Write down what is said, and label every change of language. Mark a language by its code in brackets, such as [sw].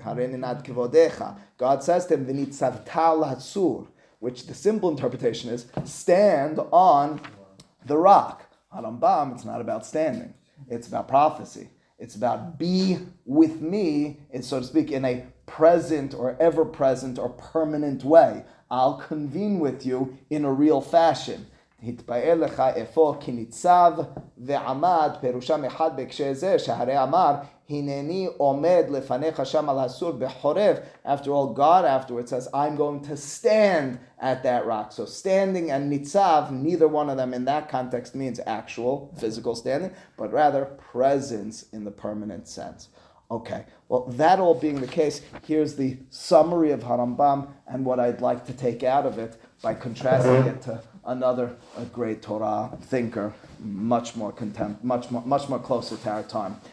[he] Hareninat kivodecha. [en] God says to him, [he] v'nitzavta al hasur, [en] which the simple interpretation is, stand on the rock. Harambam, it's not about standing. It's about prophecy. It's about be with me, so to speak, in a present or ever-present or permanent way. I'll convene with you in a real fashion. [he] התפעל לך איפה כי ניצב ועמד פירושם אחד בהקשר זה שהרי אמר הנני עומד לפניך שם על הסור בחורף. [en] After all, God afterwards says, I'm going to stand at that rock. So standing and ניצב, neither one of them in that context means actual physical standing, but rather presence in the permanent sense. Okay, well, that all being the case, here's the summary of Harambam and what I'd like to take out of it by contrasting it to another great Torah thinker, much more closer to our time.